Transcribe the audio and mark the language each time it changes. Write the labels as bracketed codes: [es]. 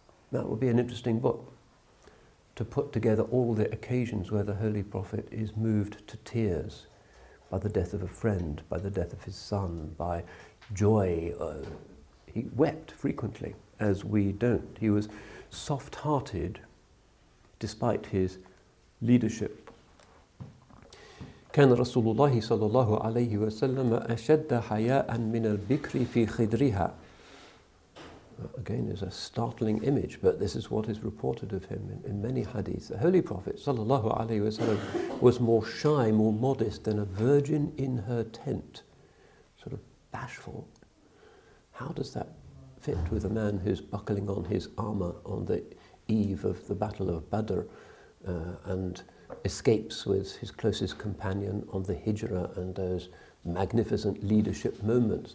[en] That would be an interesting book, to put together all the occasions where the Holy Prophet is moved to tears by the death of a friend, by the death of his son, by joy. He wept frequently, as we don't. He was soft-hearted despite his leadership. [ar] كان رسول الله صلى الله عليه وسلم أشد حياء من البكر في خدرها. [en] Again, is a startling image, but this is what is reported of him in many hadiths. The Holy Prophet sallallahu alaihi wasallam was more shy, more modest than a virgin in her tent, sort of bashful. How does that fit with a man who's buckling on his armor on the eve of the Battle of Badr and escapes with his closest companion on the Hijrah and those magnificent leadership moments?